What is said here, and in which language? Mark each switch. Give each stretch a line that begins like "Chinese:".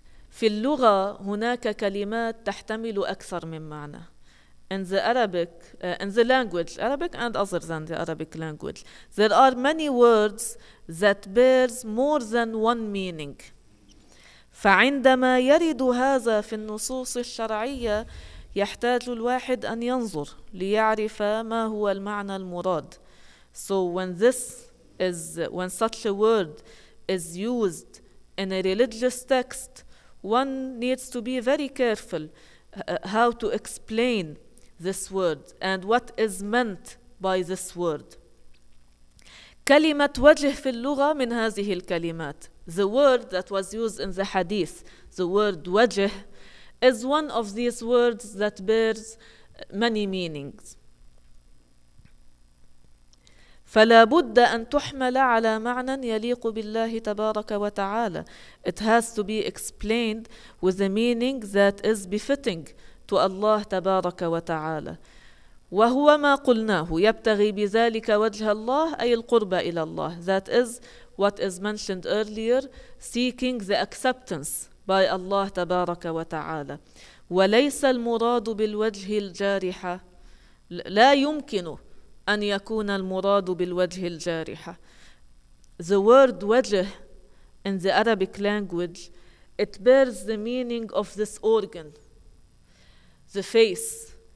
Arabic: في اللغة هناك كلمات تحتمل أكثر من معنى.
English: In the Arabic, in the language, Arabic and other than the Arabic language, there are many words that bears more than one meaning.
Arabic: فعندما يرد هذا في النصوص الشرعية يحتاج الواحد أن ينظر ليعرف ما هو المعنى المراد.
English: So when such a word is used in a religious text, one needs to be very careful how to explain this word and what is meant by this word.
Arabic: كلمة وجه في اللغة من هذه الكلمات.
English: The word that was used in the hadith, the word وجه, is one of these words that bears many meanings.
Arabic: فلا بد أن تحمل على معنى يليق بالله تبارك وتعالى.
English: It has to be explained with a meaning that is befitting to Allah تبارك وتعالى.
Arabic: وهو ما قلناه يبتغي بذلك وجه الله أي القرب إلى الله.
English: That is what is mentioned earlier, seeking the acceptance by Allah تبارك وتعالى.
Arabic: وليس المراد بالوجه الجارحة. لا يمكن أن يكون المراد بالوجه الجارحة.
English: The word وجه in the Arabic language, it bears the meaning of this organ, the face.